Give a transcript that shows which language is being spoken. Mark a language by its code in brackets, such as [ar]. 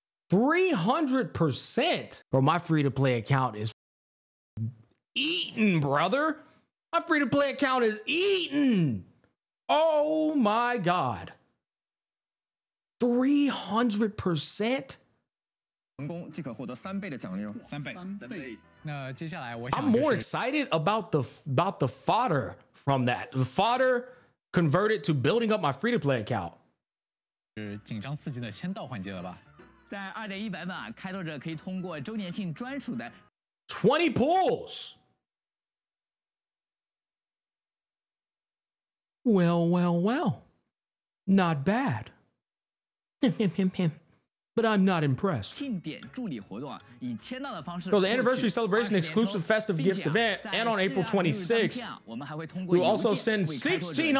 [en] 300%? Bro, my free to play account is eaten, brother. My free to play account is eaten. Oh my God! 300%? [zh] 成功即可获得三倍的奖励哦。三倍。那接下来我想、 [en] I'm more excited about the fodder from that. The fodder converted to building up my free to play account. [zh] 是紧张刺激的签到环节了吧？在2.1版本啊，开拓者可以通过周年庆专属的 [en] 20 pools. Well, not bad. But I'm not impressed. [zh] 庆典助理活动啊，以签到的方式。 [en] So the anniversary celebration exclusive festive gifts event, and on April 26th, [zh] 我们还会通过邮件为开拓者寄出